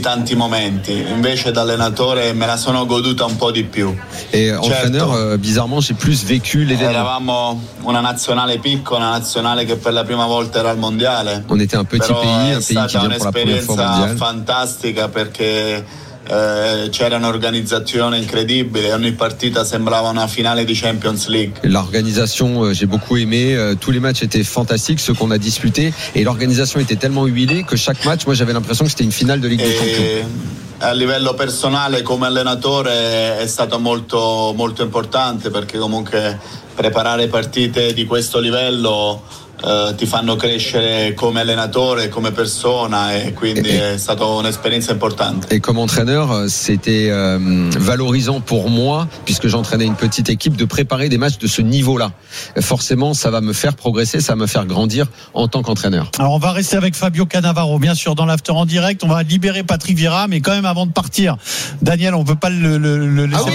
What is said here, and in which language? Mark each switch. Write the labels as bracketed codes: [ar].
[it] tanti momenti, invece da allenatore me la sono goduta un po' di più. E certo, [fr] entraîneur, bizarrement, j'ai plus vécu l'événement. [it] Eravamo una nazionale piccola, una nazionale che per la prima volta era al mondiale. [fr] On était un petit pays, un pays qui vient pour la première fois mondiale. [it] È stata un'esperienza fantastica perché c'era un'organizzazione incredibile, ogni partita sembrava una finale di Champions League. [fr] L'organisation, j'ai beaucoup aimé, tous les matchs étaient fantastiques, ceux qu'on a disputés, et l'organisation était tellement huilée que chaque match, moi j'avais l'impression que c'était une finale de Ligue des Champions. [it] A livello personale, come allenatore, è stato molto, molto importante, perché comunque preparare partite di questo livello ti fanno crescere come allenatore, come persona, e quindi è stata un'esperienza importante. [fr] E come entraîneur, c'était valorisant pour moi, puisque j'entraînais une petite équipe, de préparer des matchs de ce niveau-là. Forcément, ça va me faire progresser, ça va me faire grandir en tant qu'entraîneur. Alors, on va rester avec Fabio Cannavaro, bien sûr, dans l'after en direct. On va libérer Patrick Vieira, mais quand même, avant de partir, Daniel, on ne peut pas le laisser